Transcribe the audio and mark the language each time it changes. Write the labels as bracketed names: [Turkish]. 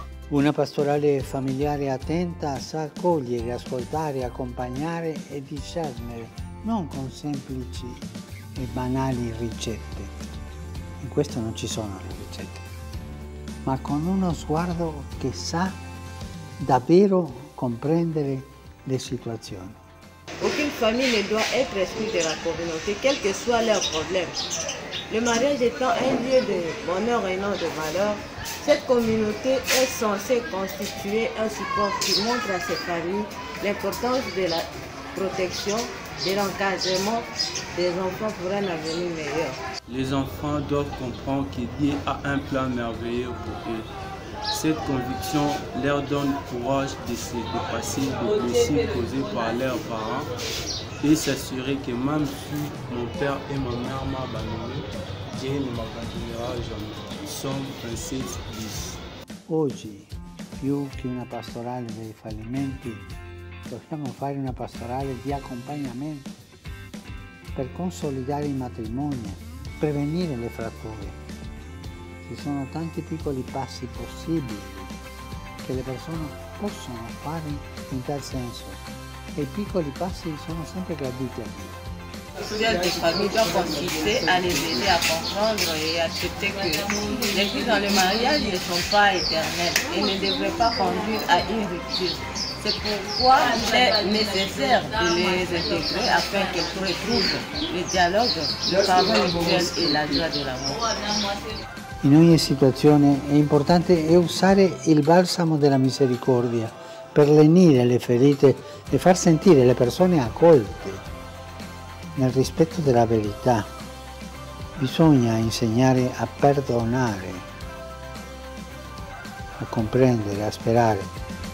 [Italian] Una pastorale familiare attenta sa accogliere, ascoltare, accompagnare e discernere, non con semplici e banali ricette. In questo non ci sono le ricette, ma con uno sguardo che sa davvero comprendere le situazioni. [French] Aucune famille ne doit être esprit de la communauté, quel que soit leur problème. Le mariage étant un lieu de bonheur et non de valeur, cette communauté est censée constituer un support qui montre à ses familles l'importance de la protection, de l'encadrement des enfants pour un avenir meilleur. Les enfants doivent comprendre que Dieu a un plan merveilleux pour eux. Cette conviction leur donne courage de se dépasser des blessures causées par leurs parents et s'assurer que même si mon père et ma mère m'ont abandonné, Dieu ne m'abandonnera jamais. [Italian] Oggi, più che una pastorale dei fallimenti, dobbiamo fare una pastorale di accompagnamento per consolidare il matrimonio, prevenire le fratture. Ci sono tanti piccoli passi possibili che le persone possono fare in tal senso e i piccoli passi sono sempre graditi a me. [French] L'aide des familles doit consister à les aider à comprendre et accepter que les filles dans le mariage ne sont pas éternelles et ne devraient pas conduire à une rupture. C'est pourquoi il est nécessaire de les intégrer afin qu'elles retrouvent le dialogue, le pardon mutuel et la joie de l'amour. [Italian] In ogni situazione è importante usare il balsamo della misericordia per lenire le ferite e far sentire le persone accolte nel rispetto della verità. Bisogna insegnare a perdonare, a comprendere, a sperare.